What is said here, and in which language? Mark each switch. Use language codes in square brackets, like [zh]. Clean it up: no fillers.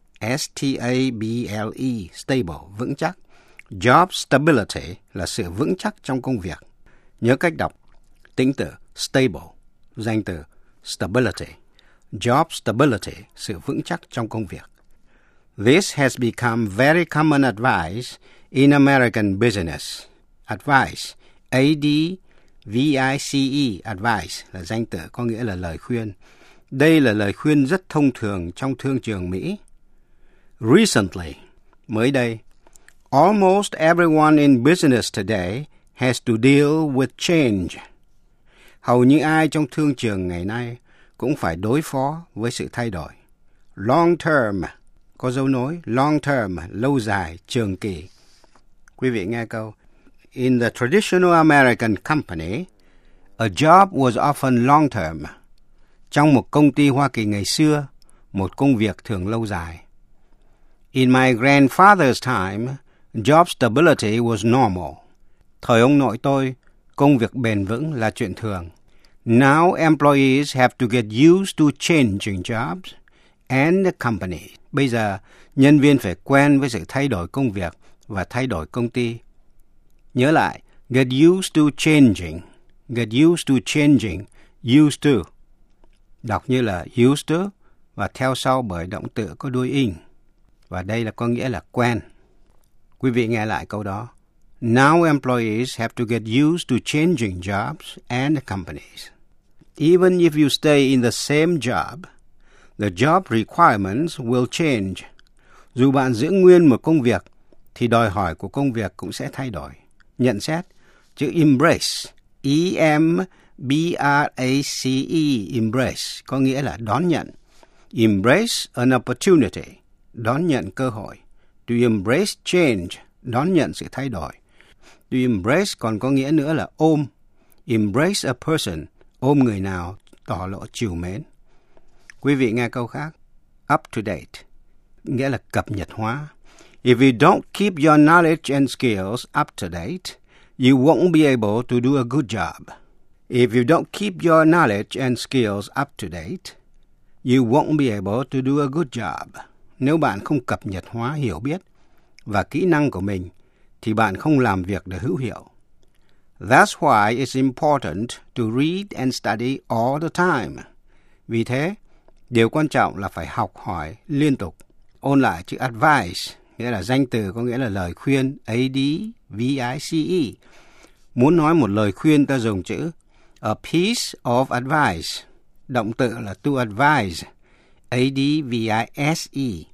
[en] S-T-A-B-L-E, stable, [vi] vững chắc. [en] Job stability [vi] là sự vững chắc trong công việc. Nhớ cách đọc. Tính tự stable, danh từ stability. [en] Job stability, [vi] sự vững chắc trong công việc. [en] This has become very common advice in American business. [vi] Advice, A-D-V-I-C-E, advice, là danh từ có nghĩa là lời khuyên. Đây là lời khuyên rất thông thường trong thương trường Mỹ. [en] Recently, [vi] mới đây, [en] almost everyone in business today has to deal with change. [vi] Hầu như ai trong thương trường ngày nay cũng phải đối phó với sự thay đổi. Long term, có dấu nối, long term, lâu dài, trường kỳ. Quý vị nghe câu. [en] In the traditional American company, a job was often long term. [vi] Trong một công ty Hoa Kỳ ngày xưa, một công việc thường lâu dài. [en] In my grandfather's time, job stability was normal. [vi] Thời ông nội tôi, công việc bền vững là chuyện thường. [en] Now employees have to get used to changing jobs and the company. [vi] Bây giờ, nhân viên phải quen với sự thay đổi công việc và thay đổi công ty. Nhớ lại, [en] get used to changing. Get used to changing. Used to. [vi] Đọc như là used to và theo sau bởi động từ có đuôi in. Và đây là có nghĩa là quen. Quý vị nghe lại câu đó. [en] Now employees have to get used to changing jobs and companies. Even if you stay in the same job, the job requirements will change. [vi] Dù bạn giữ nguyên một công việc, thì đòi hỏi của công việc cũng sẽ thay đổi. Nhận xét, chữ embrace, E-M-B-R-A-C-E, embrace, có nghĩa là đón nhận. [en] Embrace an opportunity, [vi] đón nhận cơ hội. [en] To embrace change, [vi] đón nhận sự thay đổi. To embrace còn có nghĩa nữa là ôm. [en] Embrace a person, [vi] ôm người nào, tỏ lộ trìu mến. Quý vị nghe câu khác. Up to date, nghĩa là cập nhật hóa. [en] If you don't keep your knowledge and skills up to date, you won't be able to do a good job. If you don't keep your knowledge and skills up to date, you won't be able to do a good job. [vi] Nếu bạn không cập nhật hóa hiểu biết và kỹ năng của mình, thì bạn không làm việc được hữu hiệu. [en] That's why it's important to read and study all the time. [vi] Vì thế, điều quan trọng là phải học hỏi liên tục. Ôn lại chữ advice, nghĩa là danh từ có nghĩa là lời khuyên, A-D-V-I-C-E. Muốn nói một lời khuyên ta dùng chữ [en] a piece of advice, [vi] động từ là [en] to advise, [vi] A-D-V-I-S-E.